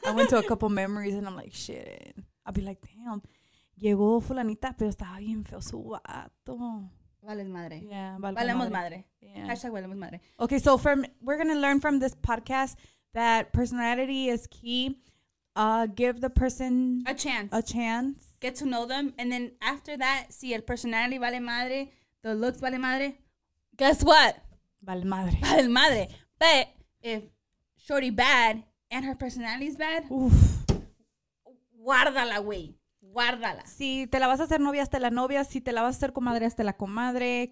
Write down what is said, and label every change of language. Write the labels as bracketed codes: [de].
[en] I went to a couple memories and I'm like, shit. I'll be like, damn. [es] Llegó fulanita, pero estaba bien feo su vato. Vales madre. [en] Yeah. [es] Valemos madre. Yeah. Hashtag valemos madre. [en] Okay, so we're going to learn from this podcast that personality is key. Give the person a chance. Get to know them. And then after that, [es] si el personality vale madre, [en] the looks [es] vale madre. [en] Guess what? [es] Vale madre. [en] But if shorty bad and her personality is bad, oof. [es] Guárdala, güey. Guárdala. Si te la vas a hacer novia, hasta la novia. Si te la vas a hacer comadre, hasta la comadre.